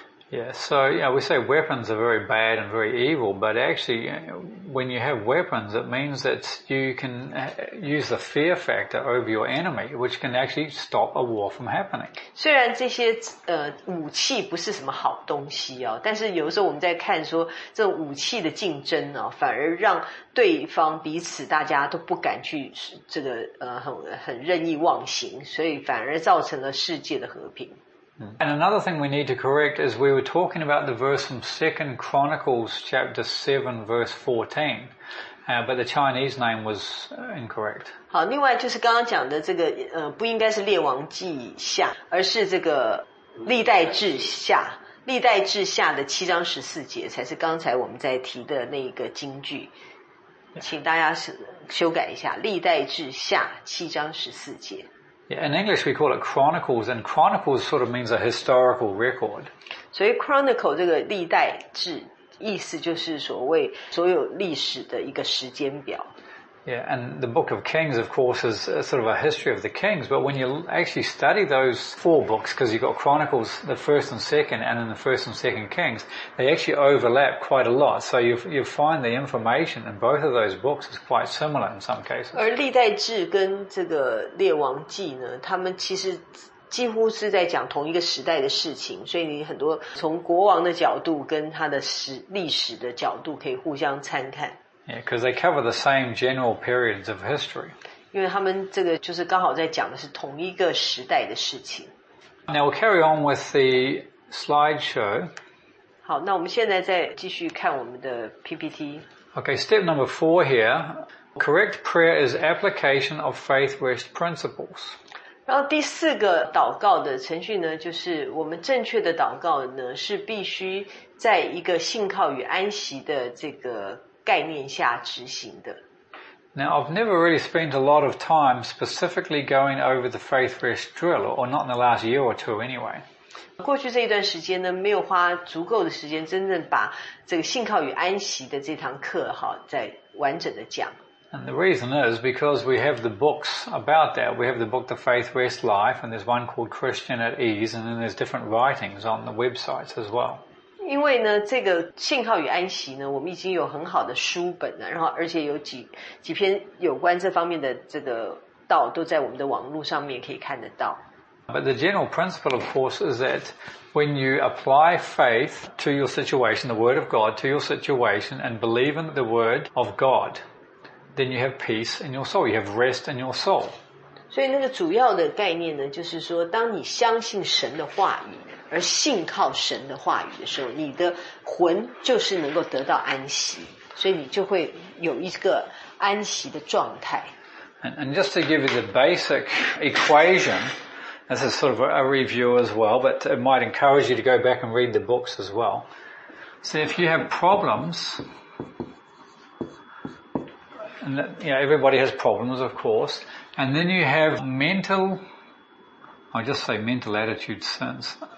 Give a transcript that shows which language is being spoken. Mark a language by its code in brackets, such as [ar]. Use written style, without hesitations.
[en] Yeah, so you know, we say weapons are very bad and very evil, but actually, when you have weapons, it means that you can use the fear factor over your enemy, which can actually stop a war from happening. [zh] 虽然这些武器不是什么好东西哦，但是有时候我们在看说这武器的竞争哦，反而让对方彼此大家都不敢去这个很任意妄行，所以反而造成了世界的和平。 [en] And another thing we need to correct is we were talking about the verse from 2 Chronicles chapter 7 verse 14, but the Chinese name was incorrect. [zh] 好，另外就是刚刚讲的这个不应该是列王记下，而是这个历代志下，历代志下的七章十四节才是刚才我们在提的那个经句，请大家修改一下，历代志下七章十四节。 [en] Yeah, in English, we call it chronicles, and chronicles sort of means a historical record. [zh] 所以 chronicle 这个历代志，意思就是所谓所有历史的一个时间表。 [en] Yeah, and the Book of Kings, of course, is sort of a history of the kings, but when you actually study those four books, because you've got Chronicles, the first and second, and then the first and second Kings, they actually overlap quite a lot. So you find the information in both of those books is quite similar in some cases. [zh] 而历代志跟这个列王记呢，他们其实几乎是在讲同一个时代的事情，所以你很多从国王的角度跟他的历史的角度可以互相参看。 [en] Yeah, because they cover the same general periods of history. [zh] 因为他们这个就是刚好在讲的是同一个时代的事情。 [en] Now we'll carry on with the slideshow. [zh] 好，那我们现在再继续看我们的 PPT. [en] Okay, step number 4 here. Correct prayer is application of faith-based principles. [zh] 然后第四个祷告的程序呢，就是我们正确的祷告呢，是必须在一个信靠与安息的这个概念下执行的。 [en] Now, I've never really spent a lot of time specifically going over the faith rest drill, or not in the last year or two anyway. [zh] 过去这一段时间呢，没有花足够的时间真正把这个信靠与安息的这堂课再完整的讲。 [en] And the reason is because we have the books about that. We have the book, The Faith, Rest, Life, and there's one called Christian at Ease, and then there's different writings on the websites as well. [zh] 因为呢，这个信号与安息呢，我们已经有很好的书本了，然后而且有几篇有关这方面的这个道都在我们的网络上面可以看得到。 [en] But the general principle, of course, is that when you apply faith to your situation, the word of God to your situation, and believe in the word of God, then you have peace in your soul. You have rest in your soul. [zh] 所以那个主要的概念呢，就是说，当你相信神的话语。而信靠神的话语的时候，你的魂就是能够得到安息，所以你就会有一个安息的状态。 [en] And just to give you the basic equation, this is sort of a review as well, but it might encourage you to go back and read the books as well. So if you have problems, and that, you know, everybody has problems, of course, and then you have mental, I'll just say mental attitude sins.